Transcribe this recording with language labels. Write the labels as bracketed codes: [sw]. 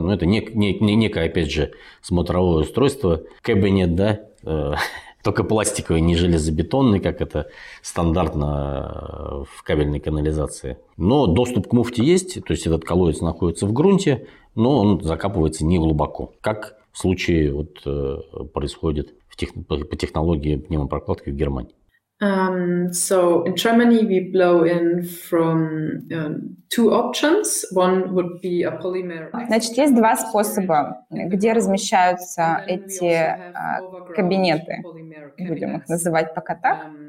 [ru] Но это некое, опять же, смотровое устройство, кабинет, да, только пластиковый, не железобетонный, как это стандартно в кабельной канализации. Но доступ к муфте есть, то есть этот колодец находится в грунте, но он закапывается не глубоко. Как в случае вот происходит по технологии пневмопрокладки в Германии. [en] So in Germany we blow in from two options. One would be a polymer. [ru] Значит, есть два способа, где размещаются эти кабинеты, будем их называть пока так.